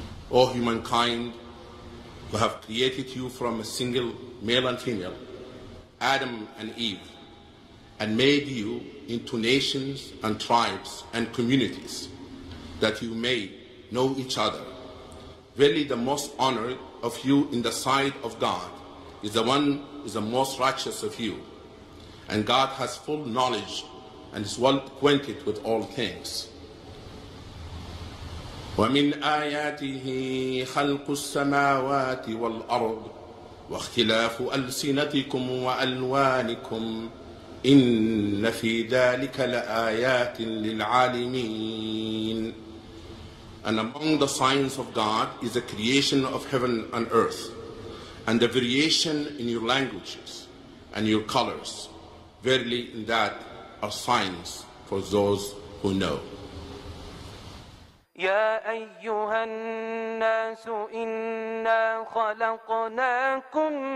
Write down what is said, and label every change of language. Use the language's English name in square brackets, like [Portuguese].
[English] O humankind, we have created you from a single male and female, Adam and Eve, and made you into nations and tribes and communities, that you may know each other. Verily, the most honored of you in the sight of God is the one is the most righteous of you, and God has full knowledge and is well acquainted with all things. [Arabic] ومن آياته خلق السماوات والأرض واختلاف ألسنتكم وألوانكم إن في ذلك لآيات للعالمين. [English] And among the signs of God is the creation of heaven and earth, and the variation in your languages and your colors. Verily, in that are signs for those who know. [Arabic] يا أيها الناس إنا خلقناكم